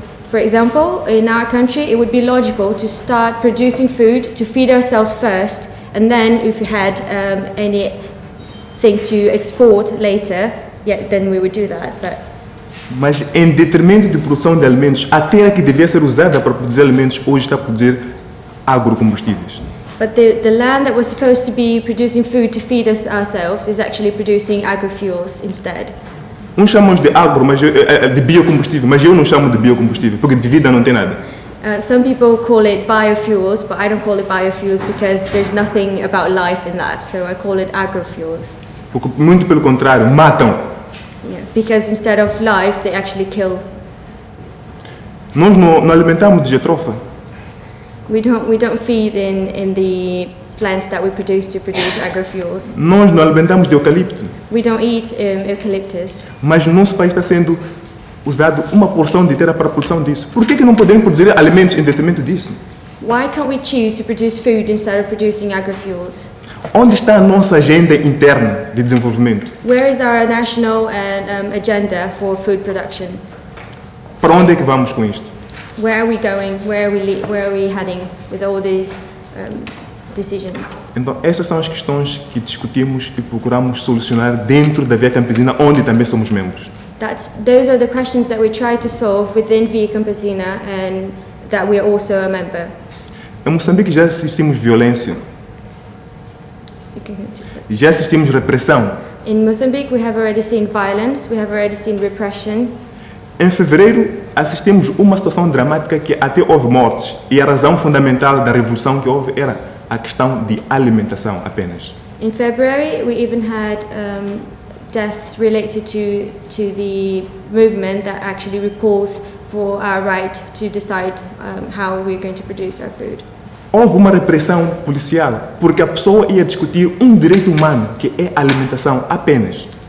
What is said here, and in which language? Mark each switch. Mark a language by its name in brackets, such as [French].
[English] For example, in our country, it would be logical to start producing food to feed ourselves first, and then if we had anything to export later, then we would do that. But [Portuguese] mas em detrimento de produção de alimentos, até a que devia ser usada para produzir alimentos, hoje está a produzir agrocombustíveis. [English] But the land that was supposed to be producing food to feed us ourselves is actually producing agrofuels instead. [Portuguese] Uns chamam de agro, mas de biocombustível, mas eu não chamo de biocombustível porque de vida não tem nada. [English] Some people call it biofuels, but I don't call it biofuels because there's nothing about life in that, so I call it agrofuels. [Portuguese] Porque muito pelo contrário, matam. [English] Yeah, because instead of life, they actually kill. [Portuguese] Nós não alimentamos de getrofa. [English] We don't feed in the plants that we produce to produce agrofuels. [Portuguese] Nós não alimentamos de eucalipto. [English] We don't eat eucalyptus. [Portuguese] Mas no nosso país está sendo usado uma porção de terra para a produção disso. Por que não podemos produzir alimentos em detrimento disso? [English] Why can't we choose to produce food instead of producing agrofuels? [Portuguese] Onde está a nossa agenda interna de desenvolvimento? [English] Where is our national agenda for food production? [Portuguese] Para onde é que vamos com isto? [English] Where are we going? Where are we heading with all these decisions? [Portuguese] Então, essas são as questões que discutimos e procuramos solucionar dentro da Via Campesina, onde também somos membros. [English] Those are the questions that we try to solve within Via Campesina and that we are also a member. [Portuguese] Em Moçambique já assistimos violência. Já assistimos repressão. [English] In Moçambique we have already seen violence, we have already seen repression. [Portuguese] Em fevereiro assistimos uma situação dramática que até houve mortes e a razão fundamental da revolução que houve era a questão de alimentação apenas. [English] In February we even had deaths related to the movement that actually recalls for our right to decide how we're going to produce our food. [Portuguese] Houve uma repressão policial porque a pessoa ia discutir um direito humano que é a alimentação apenas.